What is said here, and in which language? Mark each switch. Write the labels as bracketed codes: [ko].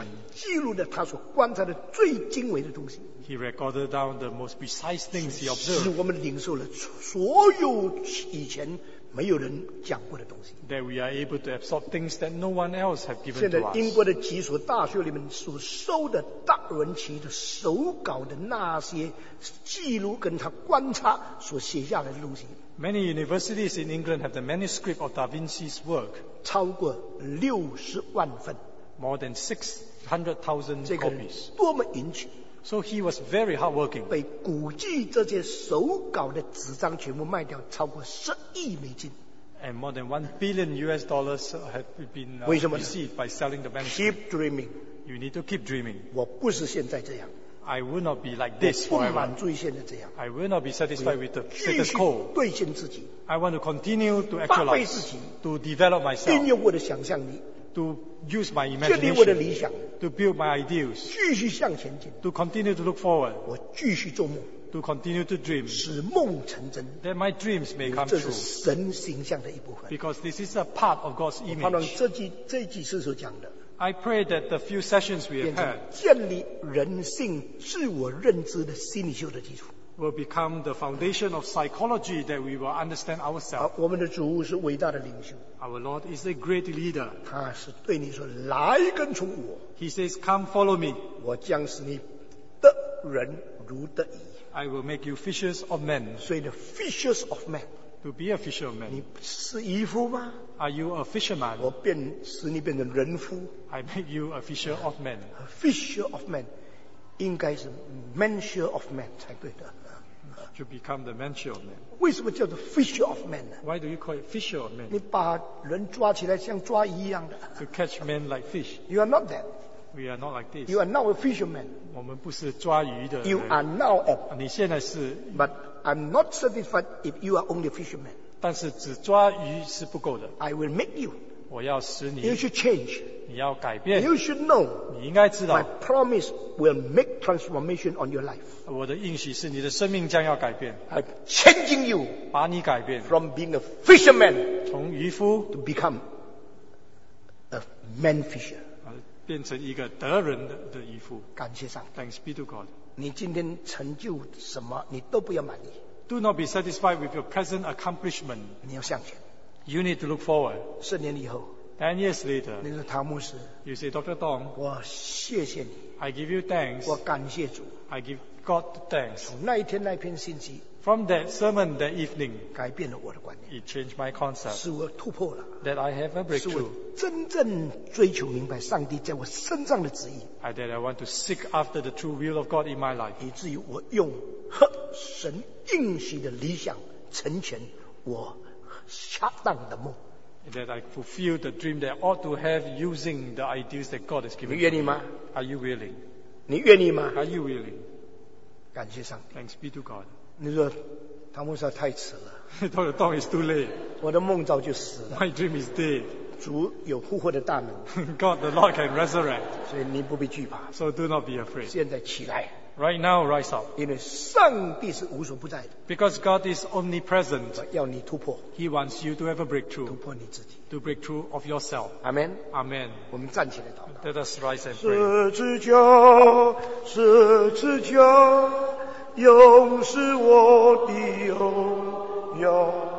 [zh] 他记录了他所观察的最精微的东西。 [en] He recorded down the most precise things he observed. [zh] 使我们领受了所有以前没有人讲过的东西。 [en] That we are able to absorb things that no one else have given to us. [zh] 现在英国的几所大学里面所收的达文奇的手稿的那些记录跟他观察所写下来的东西。 [en] Many universities in England have the manuscript of Da Vinci's work. [zh] 超过60万份。 [en] More than 600,000 copies. [zh] 多么引起。 [en] So he was very hardworking. [zh] 被估计这些手稿的纸张全部卖掉超过10亿美金。 [en] And more than $1 billion have been received by selling the manuscript. Keep dreaming. You need to keep dreaming. [zh] 我不是现在这样。 [en] I will not be like this forever. [zh] 不满足于现在这样。 [en] I will not be satisfied with the status quo. [zh] 继续兑现自己。 [en] I want to continue to actualize. [zh] 发挥自己。 [en] To develop myself. [zh] 运用我的想象力。 [en] To use my imagination. [zh] 建立我的理想。 [en] To build my ideals. [zh] 继续向前进。 [en] To continue to look forward. [zh] 我继续做梦。 [en] To continue to dream. [zh] 使梦成真。 [en] That my dreams may come true. [zh] 这是神形象的一部分。 [en] Because this is a part of God's image. [zh] 我盼望这几次所讲的。 [en] I pray that the few sessions we have had [zh] 建立人性自我认知的心理学的基础 [en] will become the foundation of psychology that we will understand ourselves. [zh] 我们的主是伟大的领袖 [en] Our Lord is a great leader. [zh] 他是对你说来跟从我 [en] He says, come follow me. [zh] 我将使你得人如得鱼 [en] I will make you fishers of men. [zh] 所以 [en] the fishers of men. To be a fisherman. [zh] 你是渔夫吗？ [en] Are you a fisherman? [zh] 我变使你变成人夫。 [en] I make you a fisher of men. A fisher of men, [zh] 应该是 [en] mancher of men [zh] 才对的。 [en] To become the mancher of men. [zh] 为什么叫做 [en] fisher of men? Why do you call it fisher of men? [zh] 你把人抓起来像抓鱼一样的。 [en] To catch men like fish. You are not that. We are not like this. You are now a fisherman. [zh] 我们不是抓鱼的。 [en] You are now a. [zh] 你现在是。 [en] But I'm not satisfied if you are only a fisherman. [zh] 但是只抓鱼是不够的。 [en] I will make you. [zh] 我要使你。 [en] You should change. [zh] 你要改变。 [en] You should know. [zh] 你应该知道。 [en] My promise will make transformation on your life. [zh] 我的应许是你的生命将要改变。 [en] I'm changing you. [zh] 把你改变。 [en] From being a fisherman. [zh] 从渔夫。 [en] To become a man fisher. [zh] 变成一个得人的渔夫。感谢上帝。 [en] Thanks be to God. [zh] 你今天成就什么，你都不要满意。 [en] Do not be satisfied with your present accomplishment. [zh] 你要向前。 [en] You need to look forward. [zh] 十年以后。 [en] 10 years later. [zh] 你说唐牧师。 [en] You say, Dr. Dong. [zh] 我谢谢你。 [en] I give you thanks. [zh] 我感谢主。 [en] I give God thanks. [zh] 从那一天那篇信息。 [en] From that sermon that evening. [zh] 改变了我的观念。 [en] It changed my concept. [zh] 使我突破了。 [en] That I have a breakthrough. [zh] 使我真正追求明白上帝在我身上的旨意。 [en] I that I want to seek after the true will of God in my life. [zh] 以至于我用。和神应许的理想成全我恰当的梦。 [en] That I fulfill the dream that I ought to have using the ideas that God has given me. [zh] 你愿意吗？ [en] Are you willing? [zh] 你愿意吗？ [en] Are you willing? [zh] 感谢上帝。 [en] Thanks be to God. [zh] 你说唐牧师太迟了。 [en] Dr. Tong is too late. [zh] 我的梦早就死了。 [en] My dream is dead. [zh] 主有复活的大能。 [en] God the Lord can resurrect. [zh] 所以你不必惧怕。 [en] So do not be afraid. [zh] 现在起来。 [en] Right now, rise up. [zh] 因为上帝是无所不在的。 [en] Because God is omnipresent. [zh] 要你突破。 [en] He wants you to have a breakthrough. [zh] 突破你自己。 [en] To break through of yourself. Amen. Amen. [zh] 我们站起来祷告。 [en] Let us rise and pray. [zh] 十字架，十字架，永是我的荣耀。